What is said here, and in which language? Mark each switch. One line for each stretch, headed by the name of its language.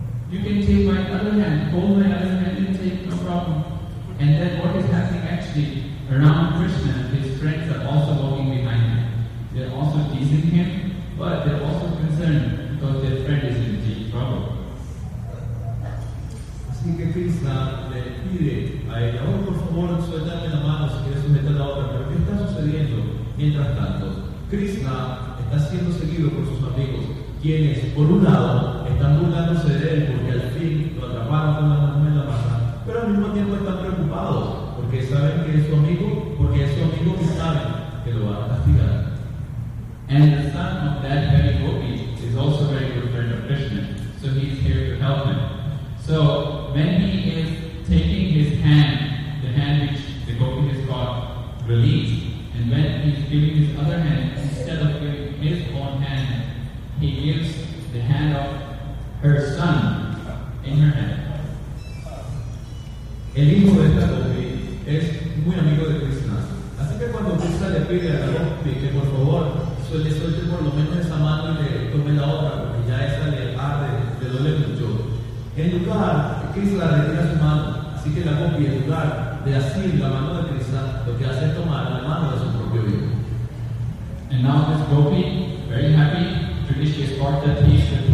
English: You can take my other hand, hold my other hand, and take no problem. And then what is happening actually around Krishna, his friends are also walking behind him. They're also teasing him, but they're also concerned because their friend is in deep trouble.
Spanish: Así que Krishna le pide a ella, oh, por favor, suéltame la mano si quieres someter la otra. Pero ¿qué está sucediendo? Mientras tanto, Krishna está siendo seguido por sus amigos, quienes, por un lado, están burlándose de él porque al fin lo atraparon con la mano en la masa, pero al mismo tiempo están preocupados porque saben que es su amigo, porque es su amigo que sabe que lo va a castigar.
English: And the son of that very gopi is also a very good friend of Krishna, so he is here to help him. So when he is taking his hand, the hand which the gopi has got released, and when he is giving his other hand, instead of giving his own hand, he gives the hand of her son in her hand.
Spanish: El hijo de esta Gopi es muy amigo de Krishna. Así que cuando Krishna le pide a la Gopi que por favor le suelte por lo menos esa mano y le tome la otra, porque ya esta le arde, le duele mucho, en lugar, Krishna le tira su mano. Así que la Gopi, en lugar de asir la mano de Krishna, lo que hace es tomar la mano de su propio hijo.
English: And now this Gopi, very happy, traditionally is part of the peace.